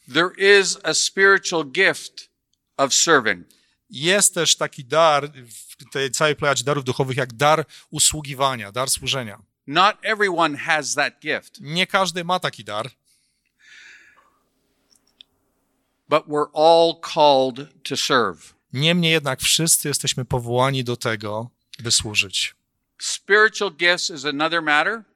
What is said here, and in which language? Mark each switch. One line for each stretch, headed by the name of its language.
English: There is a spiritual gift of serving.
Polish: Jest też taki dar w tej całej plejadzie darów duchowych, jak dar usługiwania, dar służenia.
English: Not everyone has that gift.
Polish: Nie każdy ma taki dar.
English: But we're all called to serve.
Polish: Niemniej jednak wszyscy jesteśmy powołani do tego, by służyć.
English: Spiritual gifts is another matter.